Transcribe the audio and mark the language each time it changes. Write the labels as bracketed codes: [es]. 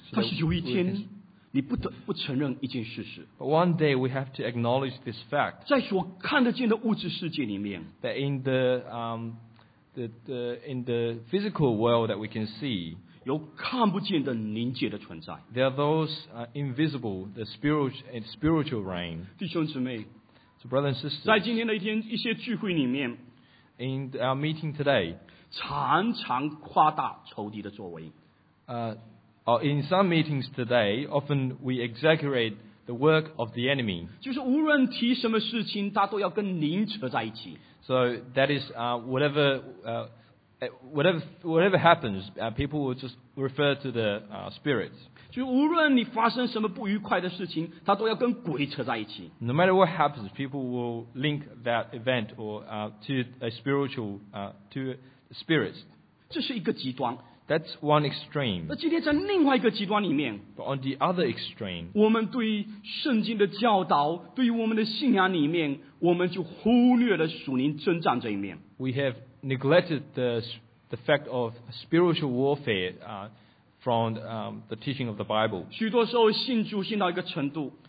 [zh] 但是有一天，你不得不承认一件事实。 [en] But one day we have to acknowledge this fact. [zh] 在所看得见的物质世界里面 [en] ，that in the physical world that we can see, [zh] 有看不见的灵界的存在。 [en] There are those invisible, the spiritual realm. [zh] 弟兄姊妹 [en] so brothers and sisters, [zh] 在今天的一天一些聚会里面 [en] in our meeting today, [zh] 常常夸大仇敌的作为。 [en] In some meetings today, often we exaggerate the work of the enemy. [zh] 就是无论提什么事情，他都要跟灵扯在一起。 [en] So that is whatever happens, people will just refer to the spirit. [zh] 就无论你发生什么不愉快的事情，他都要跟鬼扯在一起。 [en] No matter what happens, people will link that event or to a spiritual to spirits. [zh] 这是一个极端。 [en] That's one extreme. [zh] 那今天在另外一个极端里面 [en] But on the other extreme, [zh] 我们对于圣经的教导，对于我们的信仰里面，我们就忽略了属灵征战这一面。 [en] We have neglected the fact of spiritual warfare from the teaching of the Bible. [zh] 许多时候信主信到一个程度